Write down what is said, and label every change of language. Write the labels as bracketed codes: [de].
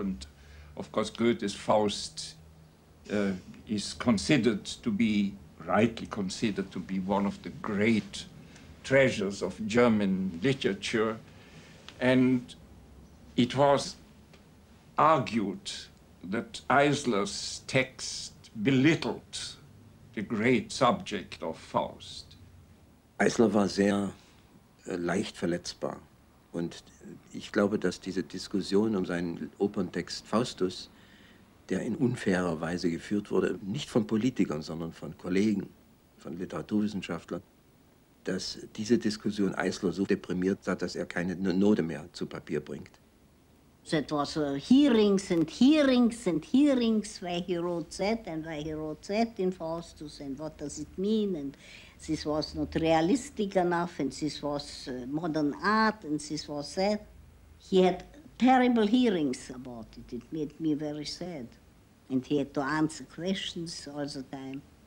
[en] And of course Goethe's Faust is considered to be, rightly considered to be, one of the great treasures of German literature. And it was argued that Eisler's text belittled the great subject of Faust. [de] Eisler war sehr leicht verletzbar. Und ich glaube, dass diese Diskussion um seinen Operntext Faustus, der in unfairer Weise geführt wurde, nicht von Politikern, sondern von Kollegen, von Literaturwissenschaftlern, dass diese Diskussion Eisler so deprimiert hat, dass er keine Note mehr zu Papier bringt. [en] That was hearings and hearings and hearings, why he wrote that and why he wrote that in Faustus and what does it mean, and this was not realistic enough and this was modern art and this was that. He had terrible hearings about it. It made me very sad. And he had to answer questions all the time.